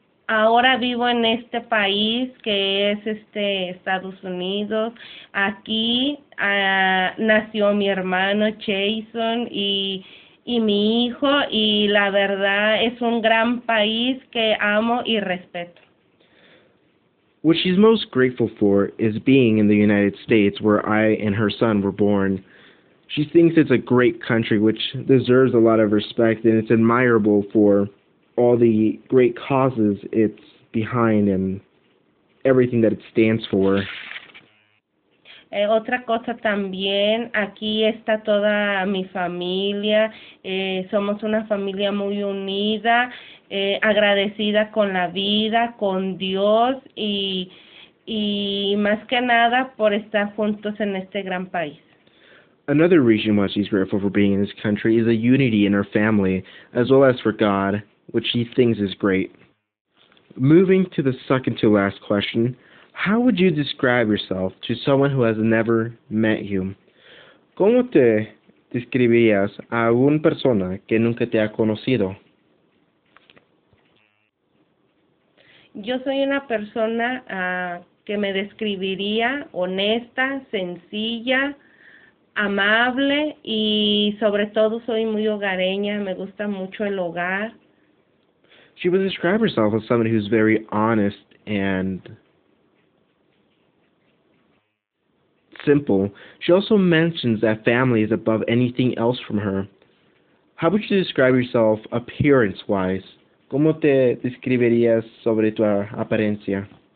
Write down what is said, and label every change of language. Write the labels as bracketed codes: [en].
[es] Ahora vivo en este país que es Estados Unidos. Aquí nació mi hermano Jason y mi hijo, y la verdad es un gran país que amo y respeto. [en] What she's most grateful for is being in the United States, where I and her son were born. She thinks it's a great country which deserves a lot of respect, and it's admirable for all the great causes it's behind and everything that it stands for. [es] Otra cosa también, aquí está toda mi familia, somos una familia muy unida, agradecida con la vida, con Dios y más que nada por estar juntos en este gran país. [en] Another reason why she's grateful for being in this country is the unity in her family, as well as for God, which she thinks is great. Moving to the second to last question, how would you describe yourself to someone who has never met you? [es] ¿Cómo te describirías a una persona que nunca te ha conocido? Yo soy una persona que me describiría honesta, sencilla, amable y sobre todo soy muy hogareña, me gusta mucho el hogar. [en] She would describe herself as someone who's very honest and simple. She also mentions that family is above anything else from her. How would you describe yourself appearance-wise? [es] ¿Cómo te describirías sobre tu apariencia?